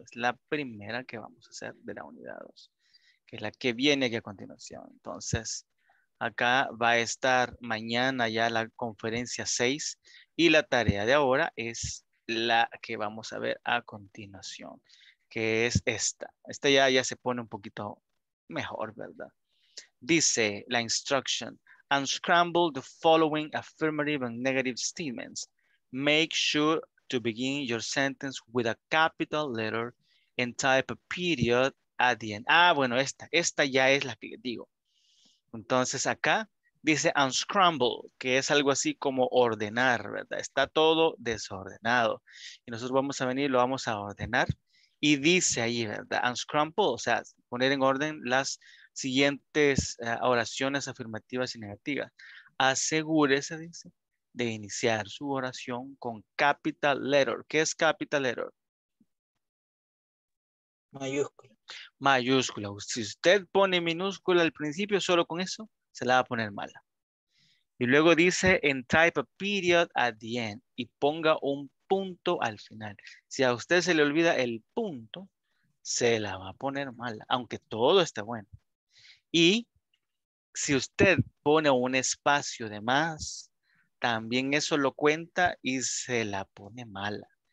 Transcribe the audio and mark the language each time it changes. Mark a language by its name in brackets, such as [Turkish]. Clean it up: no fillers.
[Spanish] Es la primera que vamos a hacer de la unidad 2, que es la que viene aquí a continuación. Entonces, acá va a estar mañana ya la conferencia 6 y la tarea de ahora es la que vamos a ver a continuación, que es esta. Esta ya se pone un poquito mejor, ¿verdad? Dice la [English] instruction, unscramble the following affirmative and negative statements. Make sure to begin your sentence with a capital letter and type a period at the end. [Spanish] Ah, bueno, esta ya es la que les digo. Entonces acá dice unscramble, que es algo así como ordenar, ¿verdad? Está todo desordenado. Y nosotros vamos a venir, lo vamos a ordenar. Y dice ahí, ¿verdad? Unscramble, o sea, poner en orden las siguientes oraciones afirmativas y negativas. Asegúrese, dice, de iniciar su oración con capital letter. ¿Qué es capital letter? Mayúscula. Mayúscula. Si usted pone minúscula al principio solo con eso, se la va a poner mala. Y luego dice, [English] and type a period at the end. [Spanish] Y ponga un punto al final. Si a usted se le olvida el punto, se la va a poner mala, aunque todo esté bueno. Y si usted pone un espacio de más, también eso lo cuenta y se la pone mala.